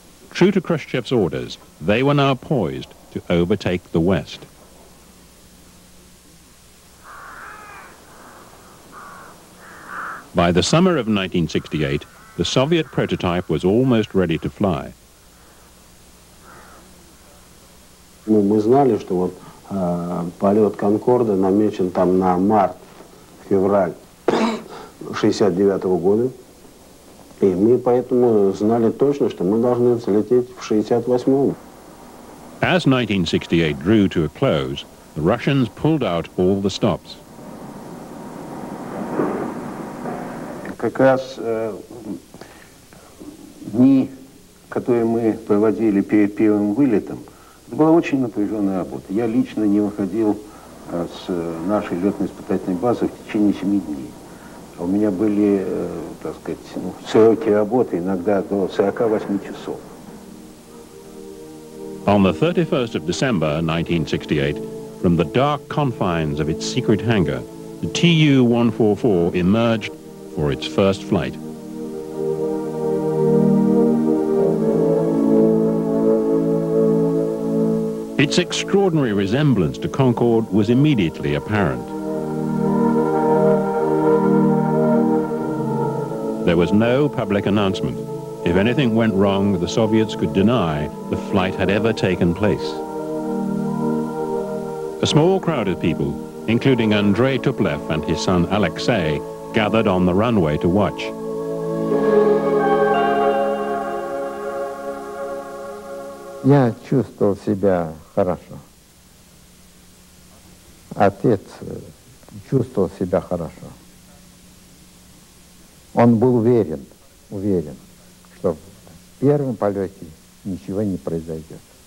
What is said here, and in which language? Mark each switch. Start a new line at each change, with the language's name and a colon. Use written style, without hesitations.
English: True to Khrushchev's orders, they were now poised to overtake the West. By the summer of 1968, the Soviet prototype was almost ready to fly.
Russian: Ну, мы знали, что вот полет Конкорда намечен там на март-февраль 69 года. И мы поэтому знали точно, что мы должны взлететь в 68-м.
English: As 1968 drew to a close, the Russians pulled out all the stops.
Russian: Как раз дни, которые мы проводили перед первым вылетом, это была очень напряженная работа. Я лично не выходил с нашей летно-испытательной базы в течение 7 дней. У меня были, так сказать, ну, сроки работы иногда до 48 часов.
English: On the 31st of December 1968, from the dark confines of its secret hangar, the Tu-144 emerged for its first flight. Its extraordinary resemblance to Concorde was immediately apparent. There was no public announcement. If anything went wrong, the Soviets could deny the flight had ever taken place. A small crowd of people, including Andrei Tupolev and his son Alexei, gathered on the runway to watch.
Russian: Я чувствовал себя хорошо. Отец чувствовал себя хорошо. Он был уверен, уверен, что в первом полете ничего не произойдет.